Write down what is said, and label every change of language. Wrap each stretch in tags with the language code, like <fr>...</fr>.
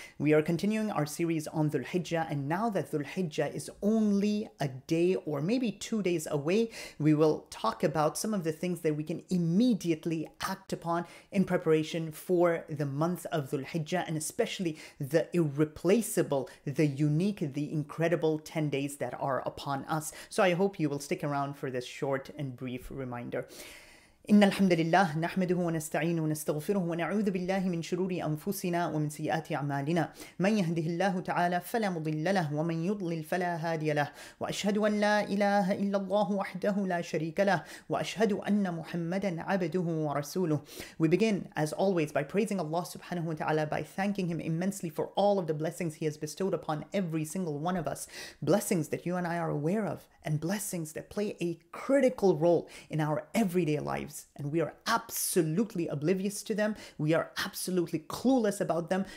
<en>We are continuing our series on Dhul Hijjah, and now that Dhul Hijjah is only a day or maybe 2 days away, we will talk about some of the things that we can immediately act upon in preparation for the month of Dhul Hijjah, and especially the irreplaceable, the unique, the incredible 10 days that are upon us. So I hope you will stick around for this short and brief reminder.</en> <ar>إن الحمد لله نحمده ونستعينه ونستغفره ونعوذ بالله من شرور أنفسنا ومن سيئات أعمالنا من يهده الله تعالى فلا مضل له ومن يضلل فلا هادي له وأشهد أن لا إله إلا الله وحده لا شريك له وأشهد أن محمدا عبده ورسوله.</ar> <en>We begin as always by praising Allah subhanahu wa ta'ala, by thanking him immensely for all of the blessings he has bestowed upon every single one of us, blessings that you and I are aware of and blessings that play a critical role in our everyday lives. And we are absolutely oblivious to them. We are absolutely clueless about them.</en>